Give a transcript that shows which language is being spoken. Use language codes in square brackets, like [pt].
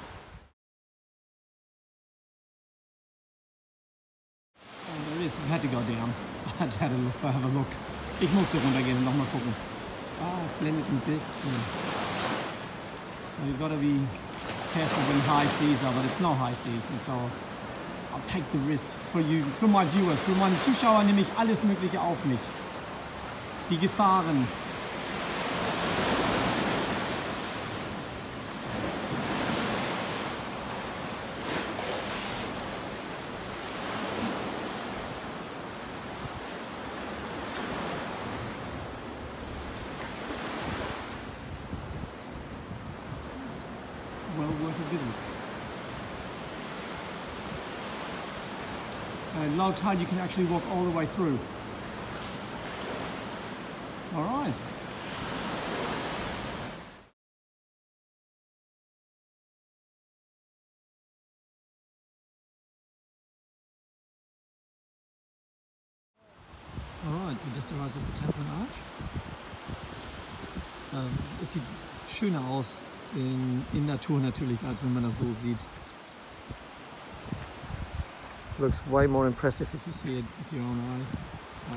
[en] Oh, there is. I had to go down. I had to have a look. [de] Ich musste runtergehen und nochmal gucken. Ah, es blendet ein bisschen. [en] So you've got to be careful when high seas are, but it's no high seas. And so I'll take the risk for you, for my viewers. [de] Für meine Zuschauer nehme ich alles Mögliche auf mich. Die Gefahren. [en] Well worth a visit. At low tide you can actually walk all the way through. All right. All right, we just arrived at the Tasman Arch. [de] Es sieht schöner aus. In Natur natürlich, als wenn man das so sieht. [en] Looks way more impressive if you see it with your own eye.